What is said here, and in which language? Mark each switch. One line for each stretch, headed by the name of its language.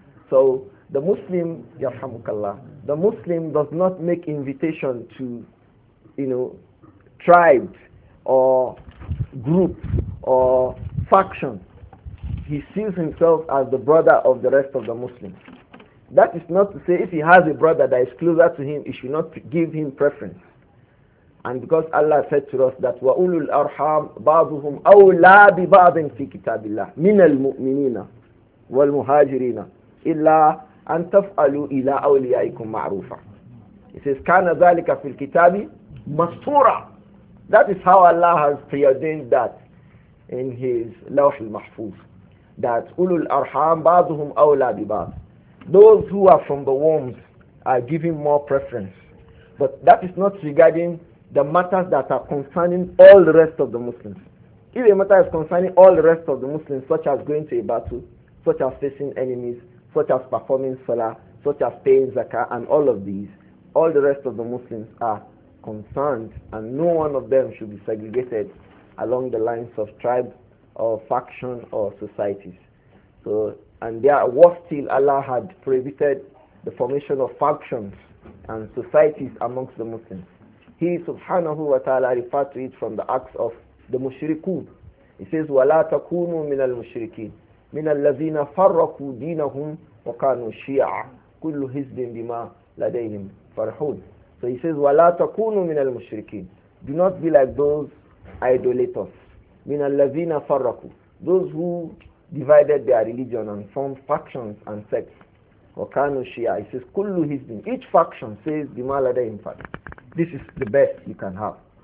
English: So the Muslim, yarhamukallah, the Muslim does not make invitation to, you know, tribes or groups or faction. He sees himself as the brother of the rest of the Muslims. That is not to say if he has a brother that is closer to him, he should not give him preference.
Arabic: And because Allah said to us that وَأُولُو الْأَرْحَامُ بَعْضُهُمْ أَوْلَى بِبَعْضٍ فِي كِتَابِ اللَّهِ مِنَ الْمُؤْمِنِينَ وَالْمُهَاجِرِينَ إِلَّا أَنْ تَفْعَلُوا إِلَىٰ أَوْلِيَائِكُمْ مَعْرُوفًا.
English: He says
Arabic: كَانَ ذَلِكَ فِي الْكِتَابِ مَسْطُورًا.
English: That is how Allah has preordained that in his Lawh al-Mahfuz, that ulul arham ba'dhum awla bi ba'd, those who are from the wombs are given more preference. But that is not regarding the matters that are concerning all the rest of the Muslims. If a matter is concerning all the rest of the Muslims, such as going to a battle, such as facing enemies, such as performing salah, such as paying zakah, and all of these, all the rest of the Muslims are concerned, and no one of them should be segregated along the lines of tribe or faction or societies. So, and there was still Allah had prohibited the formation of factions and societies amongst the Muslims. He subhanahu wa ta'ala referred to it from the acts of the mushrikun.
Arabic: He says, وَلَا تَكُونُوا مِنَ الْمُشْرِكِينَ مِنَ الَّذِينَ فَرَّقُوا دِينَهُمْ وَكَانُوا شِيَعًا كُلُّ حِزْبٍ بِمَا لَدَيْهِمْ فَرْحُونَ.
English: So he says,
Arabic: وَلَا تَكُونُوا مِنَ الْمُشْرِكِينَ.
English: Do not be like those idolaters, min al-lazina farraku, those who divided their religion and formed factions and sects. Wakanu shia, he says, kullu hizbin, each faction says, bimalada infat, this is the best you can have.